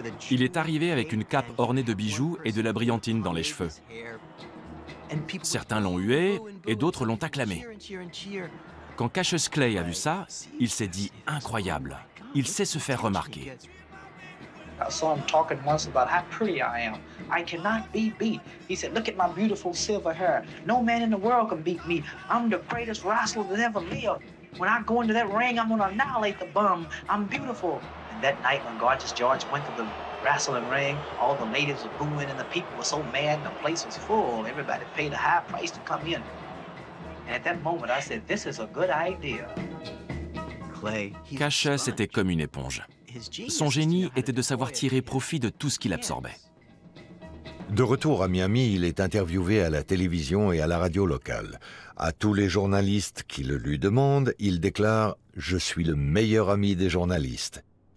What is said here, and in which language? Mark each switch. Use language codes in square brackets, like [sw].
[fr] Il est arrivé avec une cape ornée de bijoux et de la brillantine dans les cheveux. Certains l'ont hué et d'autres l'ont acclamé. Quand Cassius Clay a vu ça, il s'est dit incroyable. Il sait se faire remarquer. [en] I saw him talking once about how pretty I am. I cannot be beat. He said, look at my beautiful silver hair. No man in the world can beat me. I'm the greatest wrestler that ever lived. When I go into that ring, I'm going to annihilate the bum. I'm beautiful. And that night when Gorgeous George went to the wrestling ring, all the ladies were booing and the people were so mad and the place was full. Everybody paid a high price to come in. And at that moment, I said, this is a good idea. [fr] Clay, Cassius était comme une éponge. Son génie était de savoir tirer profit de tout ce qu'il absorbait. De retour à Miami, il est interviewé à la télévision et à la radio locale. À tous les journalistes qui le lui demandent, il déclare « Je suis le meilleur ami des journalistes ».